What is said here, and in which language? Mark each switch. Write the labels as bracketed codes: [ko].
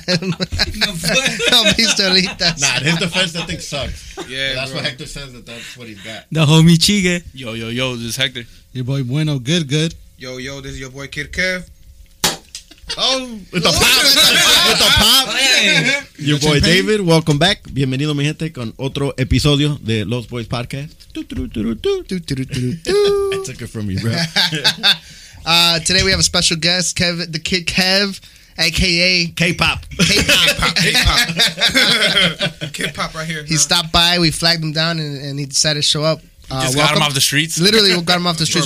[es] No, pistolitas. [en] Nah, his defense, that thing sucks. Yeah, yeah, that's bro. What Hector says, that's what he's got. The homie Chige. Yo, yo, yo, this is Hector. Your boy Bueno, good, good. Yo, yo, this is your boy Kid Kev. Oh, with the pop, with the pop. Hey. Your boy David, welcome back. [es] Bienvenido, mi gente, con otro episodio de Los Boys Podcast. [en] I took it from you, bro. Today we have a special guest, Kev, the Kid Kev, a.k.a. K-pop right here. He stopped by, we flagged him down, and he decided to show up. Got him off the streets. Literally, we got him off the streets.